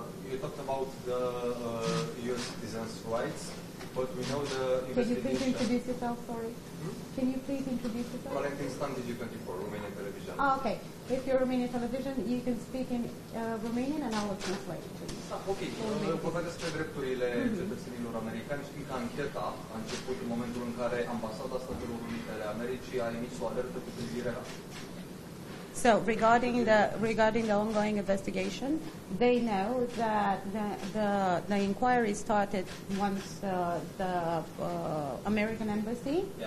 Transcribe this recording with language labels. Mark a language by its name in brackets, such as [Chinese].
[English] You talked about the US citizens' rights, but we know the investigation. Could you please introduce yourself, sorry? Can you please introduce yourself? Correcting standard U24, Romanian television. Oh, okay. If you're Romanian television, you can speak in Romanian and I will translate. Okay. [Romanian] Vă vedeți pe drepturile cetățenilor americani. Știi că ancheta a început în momentul în care Ambasada Statelor Unite ale Americii a emis o alertă cu privire la... [English] So regarding the ongoing investigation, they know that the inquiry started once the American embassy